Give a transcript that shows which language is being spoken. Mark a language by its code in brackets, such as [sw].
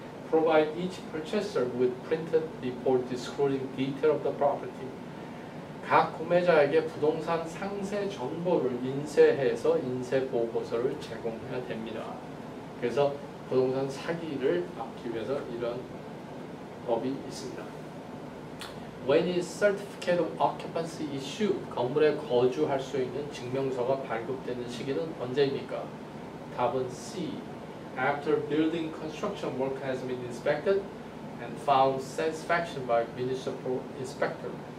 [en] Provide each purchaser with printed report disclosing detail of the property. [ko] 각 구매자에게 부동산 상세 정보를 인쇄해서 인쇄 보고서를 제공해야 됩니다. 그래서 부동산 사기를 막기 위해서 이런 법이 있습니다. [en] When is Certificate of Occupancy issued? [ko] 건물에 거주할 수 있는 증명서가 발급되는 시기는 언제입니까? 답은 C. [en] After building construction work has been inspected and found satisfaction by municipal inspector.